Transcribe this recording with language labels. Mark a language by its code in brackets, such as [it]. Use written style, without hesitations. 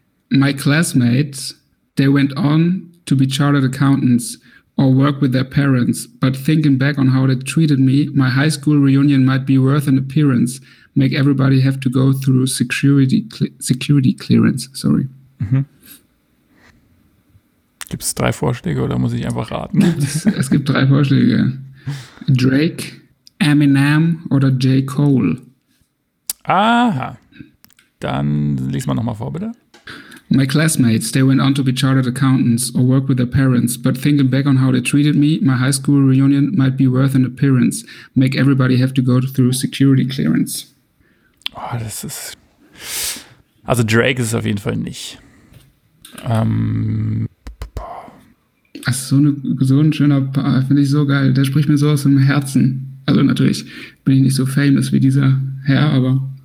[en] My classmates, they went on to be chartered accountants or work with their parents, but thinking back on how they treated me, my high school reunion might be worth an appearance, make everybody have to go through security clearance. Sorry. Mhm. [de] Gibt es drei Vorschläge oder muss ich einfach raten? Es gibt drei Vorschläge. Drake, Eminem oder J. Cole. Aha, dann lies mal nochmal vor, bitte. [en] My classmates, they went on to be chartered accountants or work with their parents, but thinking back on how they treated me, my high school reunion might be worth an appearance, make everybody have to go through security clearance. [de] Oh, das ist... Also Drake ist es auf jeden Fall nicht. Das ist so ein schöner Paar, finde ich so geil. Der spricht mir so aus dem Herzen. Also natürlich bin ich nicht so famous wie dieser Herr, aber...